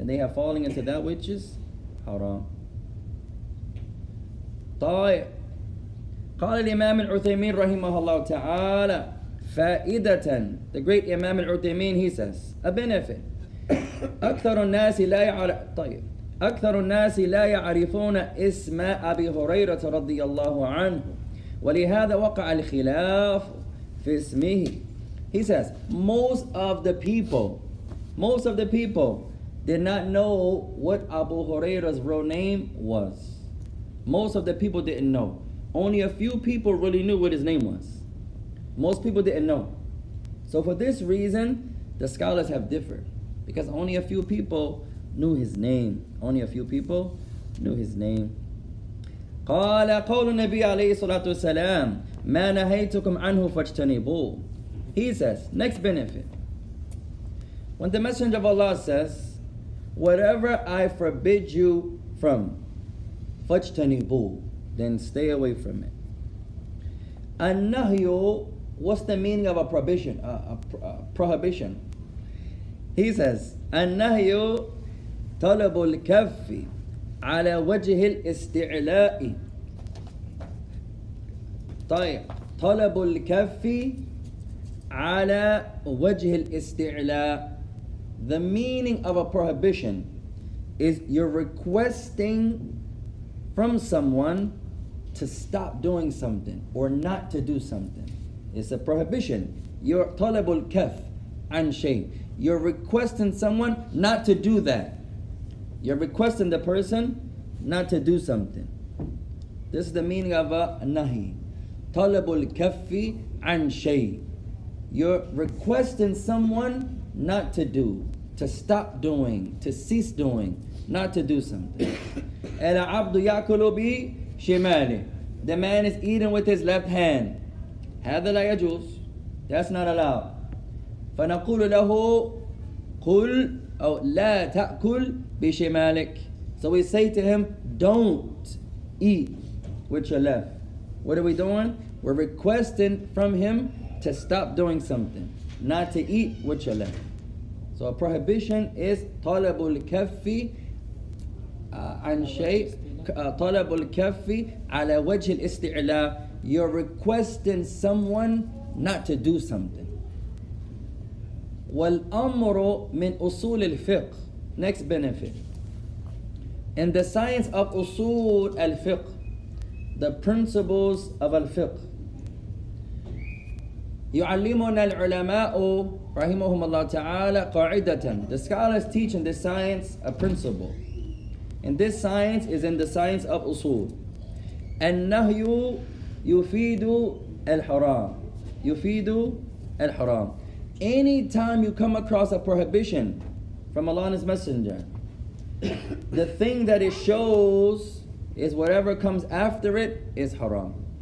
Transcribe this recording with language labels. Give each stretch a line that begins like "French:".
English: then they have fallen into that which is haram.
Arabic: طائع. قال الإمام العثيمين رحمه الله تعالى فائدة.
English: The great Imam al-Uthaymeen, he says, a benefit.
Arabic: أكثر الناس لا يعرف طيب أكثر الناس لا يعرفون اسم أبي هريرة رضي الله عنه ولهذا وقع الخلاف في اسمه.
English: He says, most of the people did not know what Abu Huraira's real name was. Most of the people didn't know. Only a few people really knew what his name was. Most people didn't know. So for this reason, the scholars have differed. Because only a few people knew his name. Only a few people knew his name.
Arabic: قال قول النبي عليه الصلاة والسلام ما نهيتكم عنه فاجتنبوه.
English: He says, next benefit. When the Messenger of Allah says, whatever I forbid you from,
Arabic: فاجتنبوا,
English: then stay away from it. النهي, what's the meaning of a prohibition? A prohibition. He says,
Arabic: النهي طلب الكف على وجه الاستعلاء. طيب, طلب الكف على وجه الاستعلاء.
English: The meaning of a prohibition is you're requesting from someone to stop doing something or not to do something. It's a prohibition. You're
Arabic: طلب الكف عن شيء.
English: You're requesting someone not to do that. You're requesting the person not to do something. This is the meaning of a nahi.
Arabic: طلب الكف عن شيء.
English: You're requesting someone not to do, to stop doing, to cease doing, not to do something.
Arabic: الْعَبْدُ يَأْكُلُ بِشِمَالِهِ.
English: The man is eating with his left hand.
Arabic: هَذَا لَا يَجُوزُ.
English: That's not allowed.
Arabic: فَنَقُولُ لَهُ قُلْ أَوْ لَا تَأْكُلْ بِشِمَالِكَ.
English: So we say to him, don't eat with your left. What are we doing? We're requesting from him to stop doing something, not to eat with your left. So a prohibition is
Arabic: طلب الكف عن شيء, طلب الكف على وجه الاستعلاء.
English: You're requesting someone not to do something.
Arabic: والأمر من أصول الفقه.
English: Next benefit. In the science of أصول الفقه, the principles of الفقه.
Arabic: يعلمنا العلماء رحمهم الله تعالى قاعدة.
English: The scholars teach in this science a principle. And this science is in the science of أصول.
Arabic: النهي يفيد الحرام. يفيد الحرام.
English: Anytime you come across a prohibition from Allah and His Messenger, the thing that it shows is whatever comes after it is haram.